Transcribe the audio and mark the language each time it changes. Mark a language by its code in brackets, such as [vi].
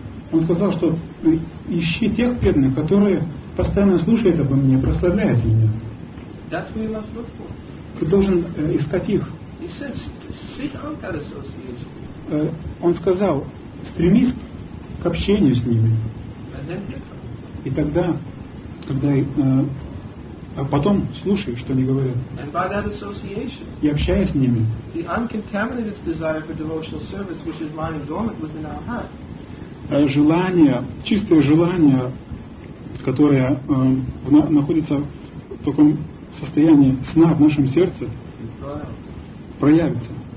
[ru] Он сказал, что ищи тех преданных, которые постоянно слушают обо мне, прославляют меня. [en] That's who you must look for. [ru] Ты должен искать их. [en] He said, seek out that association. [ru] Он сказал, стремись к общению с ними. [en] And then [ru] и тогда, когда а потом слушай, что они говорят. [en] And by that association, [ru] и общаясь с ними. [en] The uncontaminated desire for devotional service, which is lying dormant within our heart. [ru] Желание, чистое желание, которое находится в таком состоянии сна в нашем сердце, проявится.